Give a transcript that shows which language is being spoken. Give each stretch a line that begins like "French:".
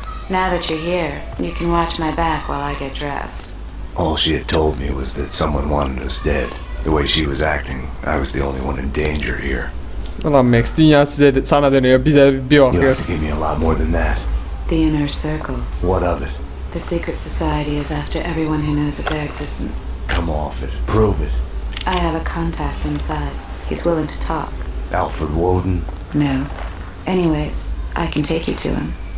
English: Now that you're here, you can watch my back while I get dressed. All she had told me was that someone wanted us dead. The way she was acting, I was the only one in danger here.
Turkish: Ulan Max, dünya size sana dönüyor, bize bir bakıyor.
English: You have to give me a lot more than that. The inner circle. What of it? The secret society is after everyone who knows of their existence. Come off it. Prove it. I have a contact inside. He's willing to talk. Alfred Woden? No. Anyways, I can take you to him.